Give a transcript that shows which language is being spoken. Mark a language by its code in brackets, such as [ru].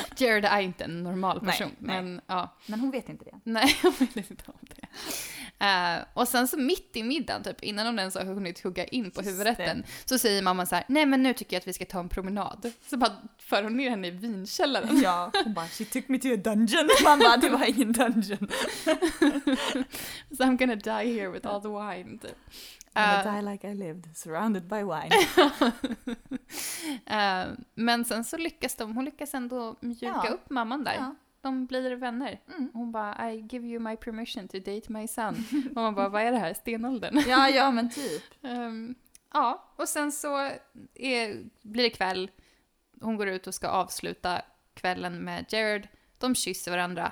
[sv] Jared är inte en normal person. Nej. Men, ja. Men hon vet inte det. Nej, hon vet inte om det. Och sen så mitt i middagen typ, innan hon ens har hunnit hugga in på huvudrätten, så säger mamma så här: nej men nu tycker jag att vi ska ta en promenad. Så bara för hon ner henne i vinkällaren. Ja, hon bara, [en] she took me to a dungeon. [sv] Mamma, det var ingen dungeon. [en] So I'm gonna die here with all the wine. I'm gonna die like I lived, surrounded by wine. [sv] Men sen så lyckas de, hon lyckas ändå mjuka upp mamman där. Ja. De blir vänner. Hon bara, [en] I give you my permission to date my son. [sv] Och man bara, vad är det här? Stenåldern? Ja, men typ. Ja, och sen så blir det kväll. Hon går ut och ska avsluta kvällen med Jared. De kysser varandra.